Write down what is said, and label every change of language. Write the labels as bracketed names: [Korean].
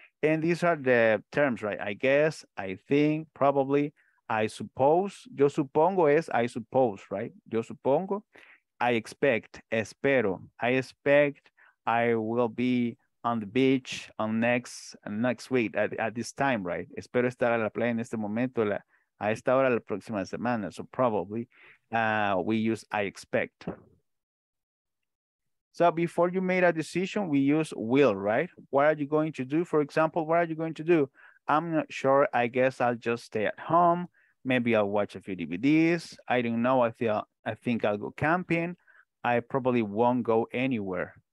[English] And these are the terms, right? I guess, I think, probably, I suppose. [Spanish] Yo supongo es [English] I suppose, right? [Spanish] Yo supongo. [English] I expect, espero, I expect I will be on the beach on next week at this time, right? [Spanish] Espero estar a la playa en este momento, a esta hora la próxima semana. [English] So probably we use I expect. So before you made a decision, we use will, right? What are you going to do? For example, what are you going to do? I'm not sure. I guess I'll just stay at home. Maybe I'll watch a few DVDs. I don't know. I think I'll go camping. I probably won't go anywhere.